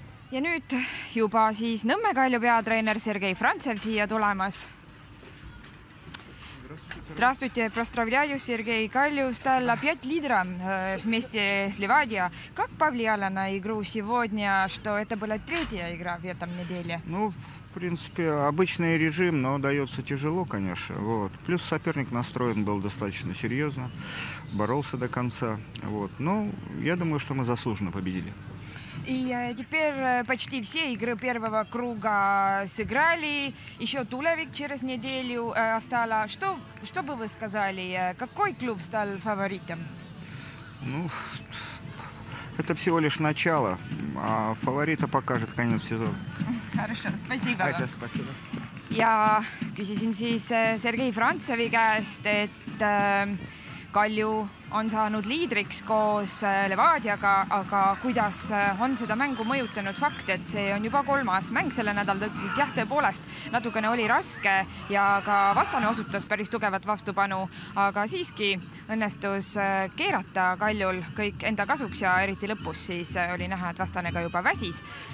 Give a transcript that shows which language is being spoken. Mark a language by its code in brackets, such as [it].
[et] ja nüüd juba siis Nõmme Kalju peatreener Sergei Frantsev siia tulemas. [ru] Здравствуйте, поздравляю Сергей Калью, стала опять лидером вместе с Ливадия. Как повлияло на игру сегодня, что это была третья игра в этом неделе? Ну, в принципе, обычный режим, но дается тяжело, конечно. Вот. Плюс соперник настроен был достаточно серьезно, боролся до конца. Вот. Ну, я думаю, что мы заслуженно победили. И теперь почти все игры первого круга сыграли. Еще Тулевик через неделю осталось. Что бы вы сказали, какой клуб стал фаворитом? Ну, это всего лишь начало, а фаворита покажет конец сезона. Хорошо, спасибо. Катя, спасибо. [et] Я küsisin siis Сергей Францеви käest, et Kalju on saanud liidriks koos Levadiaga, aga kuidas on seda mängu mõjutanud fakt, et see on juba kolmas mäng selle nädal, ta ütlesid, jah, tõepoolest natukene oli raske ja ka vastane osutas päris tugevat vastupanu, aga siiski õnnestus keerata Kaljul kõik enda kasuks ja eriti lõpus siis oli näha, et vastane ka juba väsis.